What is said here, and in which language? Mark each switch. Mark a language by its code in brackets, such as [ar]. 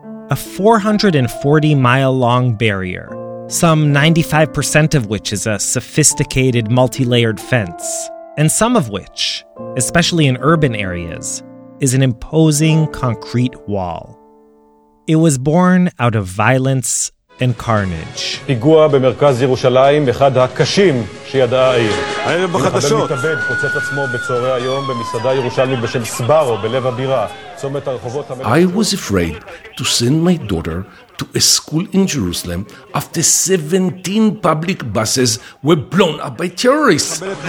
[en] A 440-mile-long barrier, some 95% of which is a sophisticated multi-layered fence, and some of which, especially in urban areas, is an imposing concrete wall. It was born out of violence and carnage. [he] פיגוע במרכז ירושלים, אחד הקשים שידעה העיר. הערב בחדשות. מתאבד, פוצץ עצמו בצהרי היום במסעדה ירושלמית בשם סברו, בלב הבירה. [en] I was afraid to send my daughter to a school in Jerusalem after 17 public buses were blown up by terrorists.